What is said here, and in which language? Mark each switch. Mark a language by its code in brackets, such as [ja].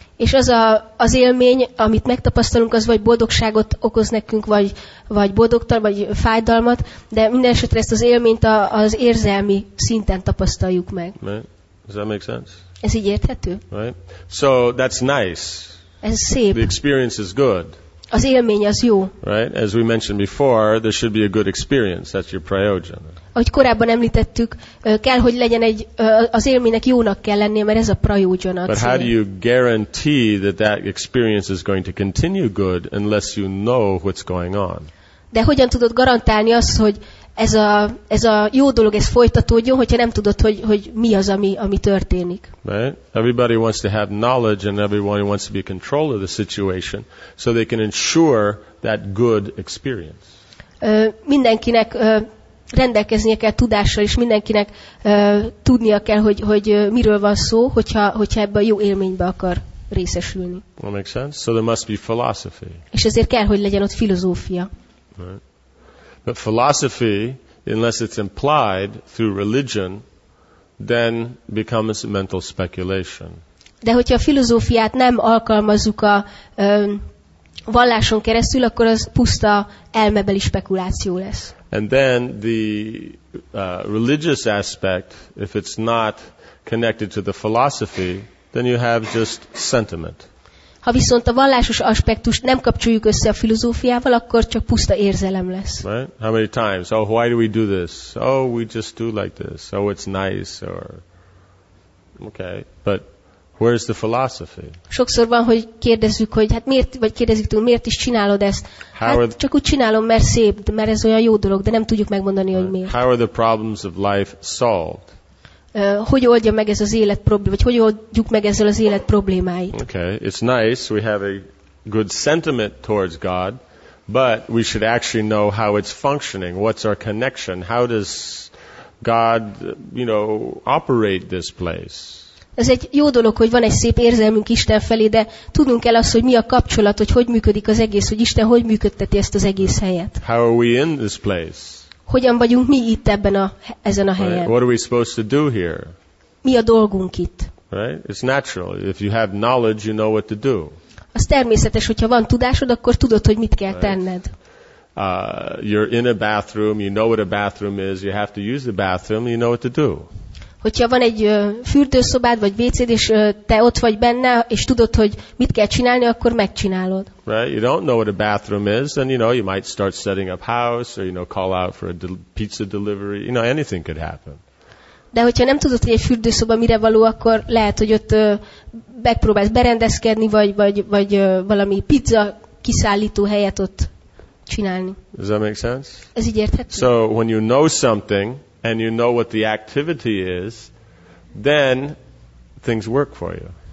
[hu] És az az élmény, amit megtapasztalunk, az vagy boldogságot okoz nekünk, vagy boldogtal, vagy fájdalmat, de minden esetre ezt az élményt az érzelmi szinten tapasztaljuk meg. [en] Right. Does that make sense? [hu] Ez így érthető? [en] Right. So that's nice. [hu] Ez szép. [en] The experience is good. [hu] Az élmény az jó. [en] Right. As we mentioned before, there should be a good experience. That's your prayojan. [hu] Ahogy korábban említettük, kell, hogy legyen egy az élménynek jónak kell lennie, mert ez a prajójana. [en] But how do you guarantee that experience is going to continue good unless you know what's going on? [hu] De hogyan tudod garantálni azt, hogy ez a jó dolog ez folytatódjon, hogyha nem tudod, hogy mi az, ami történik? [en] Right? Everybody wants to have knowledge and everyone wants to be in control of the situation so they can ensure that good experience. [hu] Mindenkinek rendelkeznie kell tudással, és mindenkinek tudnia kell, hogy miről van szó, hogyha ebbe a jó élménybe akar részesülni. [en] That makes sense. So there must be philosophy. [hu] És ezért kell, hogy legyen ott filozófia. [en] Right. But philosophy, unless it's implied through religion, then becomes mental speculation. [hu] De hogyha a filozófiát nem alkalmazzuk a valláson keresztül, akkor az puszta elmebeli spekuláció lesz. [en] And then the religious aspect, if it's not connected to the philosophy, then you have just sentiment. [hu] Ha viszont a vallásos aspektust nem kapcsoljuk össze a filozófiával, akkor csak puszta érzelem lesz. [en] Right? How many times? Oh, why do we do this? Oh, we just do like this. Oh, it's nice. Or okay, but where's the philosophy? [hu] Sokszor van, hogy kérdezzük, hogy hát miért, vagy kérdezzük tőlünk, miért is csinálod ezt? Csak úgy csinálom, mert szép, mert ez olyan jó dolog, de nem tudjuk megmondani, hogy miért. [en] How are the problems of life solved? [hu] Hogy oldja meg ez az élet problémáit, vagy hogy oldjuk meg ezzel az élet problémáit? [en] Okay, it's nice, we have a good sentiment towards God, but we should actually know how it's functioning, what's our connection, how does God, you know, operate this place? [hu] Ez egy jó dolog, hogy van egy szép érzelmünk Isten felé, de tudnunk kell azt, hogy mi a kapcsolat, hogy működik az egész, hogy Isten hogy működteti ezt az egész helyet. [en] How are we in this place? [hu] Hogyan vagyunk mi itt ezen a helyen? [en] Right. What are we supposed to do here? [hu] Mi a dolgunk itt? [en] Right? It's natural. If you have knowledge, you know what to do. [hu] Az természetes, hogyha van tudásod, akkor tudod, hogy mit kell tenned. [en] You're in a bathroom, you know what a bathroom is, you have to use the bathroom, you know what to do. [hu] Hogyha van egy fürdőszobád vagy WC-d, és te ott vagy benne, és tudod, hogy mit kell csinálni, akkor megcsinálod. [en] Right, you don't know what a bathroom is, and you know, you might start setting up house, or you know, call out for a pizza delivery, you know, anything could happen. [hu] De hogyha nem tudod, hogy egy fürdőszoba mire való, akkor lehet, hogy ott megpróbálsz berendezkedni, vagy valami pizza kiszállító helyet ott csinálni. [en] Does that make sense? [hu] Ez így érthető. [en] So, when you know something, and you know what the activity is, then things work for you.